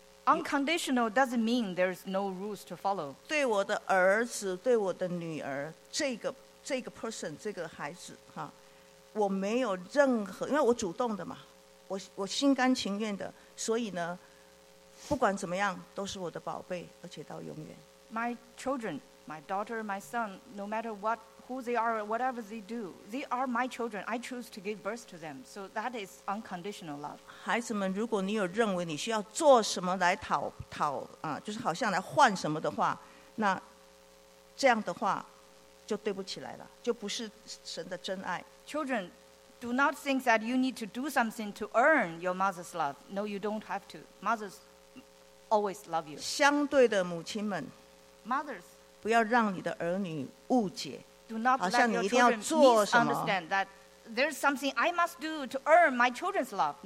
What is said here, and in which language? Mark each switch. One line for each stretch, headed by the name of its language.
English: Unconditional doesn't mean there's no rules to follow.
Chinese: 对我的儿子，对我的女儿，这个 person， 这个孩子，哈，我没有任何，因为我主动的嘛，我心甘情愿的，所以呢，不管怎么样，都是我的宝贝，而且到永远。
English: My children, my daughter, my son, no matter what, who they are, whatever they do, they are my children. I choose to give birth to them. So that is unconditional love.
Chinese: 孩子们，如果你有认为你需要做什么来讨啊，就是好像来换什么的话，那这样的话就对不起来了，就不是神的真爱。
English: Children, do not think that you need to do something to earn your mother's love. No, you don't have to. Mothers always love you.
Chinese: 相对的母亲们，
English: mothers,
Chinese: 不要让你的儿女误解。
English: Do not let your children misunderstand that there's something I must do to earn my children's love.